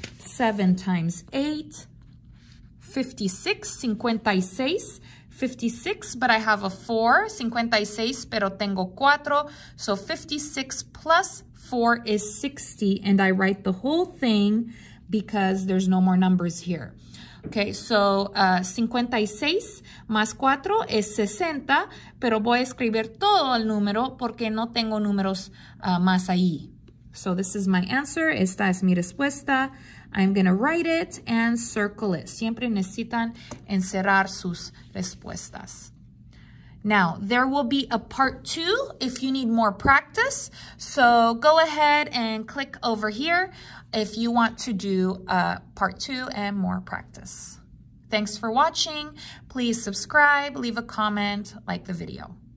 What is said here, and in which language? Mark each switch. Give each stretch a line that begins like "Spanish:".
English: 7 times 8, 56, 56. 56, but I have a 4.
Spanish: 56, pero tengo 4.
English: So 56 plus 4 is 60. And I write the whole thing because there's no more numbers here.
Spanish: Okay, so 56 más 4 es 60. Pero voy a escribir todo el número porque no tengo números más ahí.
English: So this is my answer.
Spanish: Esta es mi respuesta.
English: I'm going to write it and circle it.
Spanish: Siempre necesitan encerrar sus respuestas.
English: Now, there will be a part 2 if you need more practice. So go ahead and click over here if you want to do part 2 and more practice. Thanks for watching. Please subscribe, leave a comment, like the video.